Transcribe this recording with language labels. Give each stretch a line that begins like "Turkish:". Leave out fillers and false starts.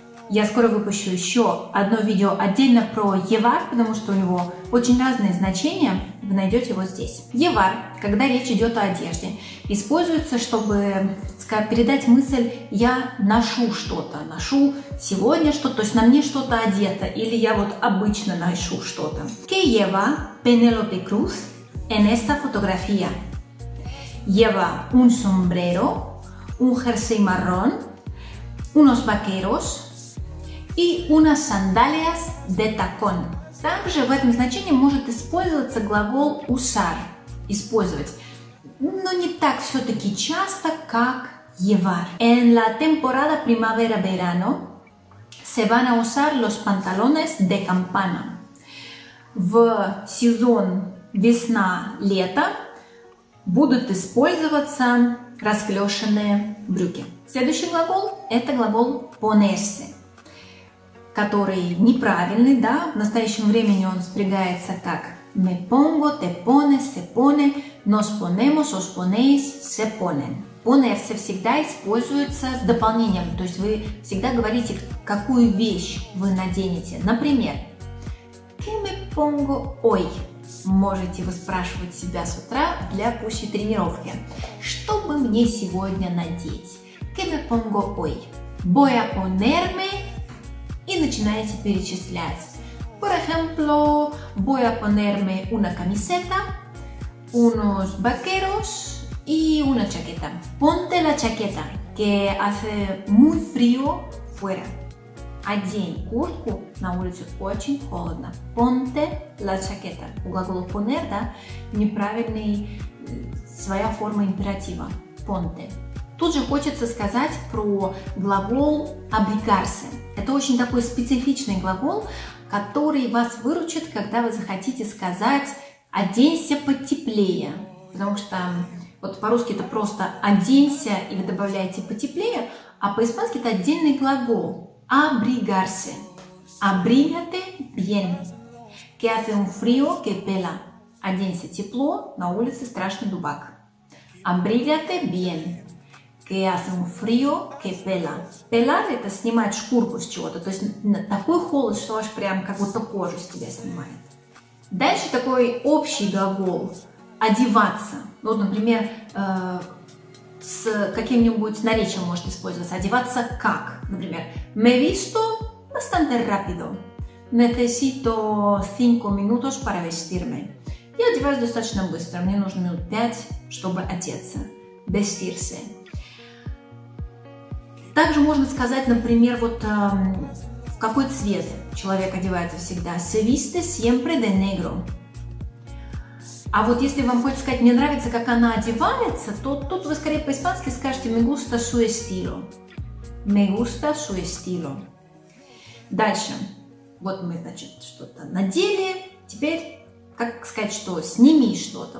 Russian: Я скоро выпущу еще одно видео отдельно про «llevar», потому что у него очень разные значения. Вы найдете его здесь. «Llevar», когда речь идет о одежде, используется, чтобы передать мысль «я ношу что-то», «ношу сегодня что-то», то есть на мне что-то одето, или «я вот обычно ношу что-то».
Spanish: «Qué lleva Penélope Cruz en esta fotografía?» «Lleva un sombrero, un jersey marrón, unos vaqueros».
Russian: И
Spanish: unas sandalias de tacón.
Russian: Также в этом значении может использоваться глагол usar, использовать. Но не так все-таки часто, как llevar.
Spanish: En la temporada primavera-verano se van a usar los pantalones de campana.
Russian: В сезон весна-лето будут использоваться расклешенные брюки. Следующий глагол – это глагол ponerse, который неправильный, да, в настоящем времени он спрягается как
Spanish: me pongo, te pones, se pone, nos ponemos, os ponéis, se ponen.
Russian: Ponerse всегда используется с дополнением, то есть вы всегда говорите, какую вещь вы наденете. Например,
Spanish: que me pongo hoy?
Russian: Можете вы спрашивать себя с утра для пущей тренировки. Что бы мне сегодня надеть?
Spanish: Que me pongo hoy? Voy a ponerme.
Russian: И начинаете перечислять.
Spanish: Por ejemplo, voy a ponerme una camiseta, unos vaqueros y una chaqueta. Ponte la chaqueta, que hace muy frío fuera.
Russian: Одень куртку, на улице очень холодно.
Spanish: Ponte la chaqueta.
Russian: У глагола poner, да, неправильный, своя форма императива.
Spanish: Ponte.
Russian: Тут же хочется сказать про глагол abrigarse. Это очень такой специфичный глагол, который вас выручит, когда вы захотите сказать «оденься потеплее». Потому что вот по-русски это просто «оденься» и вы добавляете «потеплее», а по-испански это отдельный глагол «abrigarse».
Spanish: «Abrígate bien». «Que hace un frío que pela».
Russian: «Оденься тепло, на улице страшный дубак».
Spanish: «Abrígate bien». Que hace un frío que pela.
Russian: Pelar – это снимать шкурку с чего-то. То есть такой холод, что аж прям как будто кожу с тебя снимает. Дальше такой общий глагол – одеваться. Вот, например, с каким-нибудь наречием может использоваться. Одеваться как? Например,
Spanish: me visto bastante rápido. Necesito 5 minutos para vestirme.
Russian: Я одеваюсь достаточно быстро. Мне нужно минут 5, чтобы одеться.
Spanish: Vestirse.
Russian: Также можно сказать, например, вот в какой цвет человек одевается всегда.
Spanish: Se viste siempre de negro.
Russian: А вот если вам хочется сказать, мне нравится, как она одевается, то тут вы скорее по-испански скажете
Spanish: me gusta su estilo. Me gusta su estilo.
Russian: Дальше. Вот мы, значит, что-то надели. Теперь, как сказать, что сними что-то.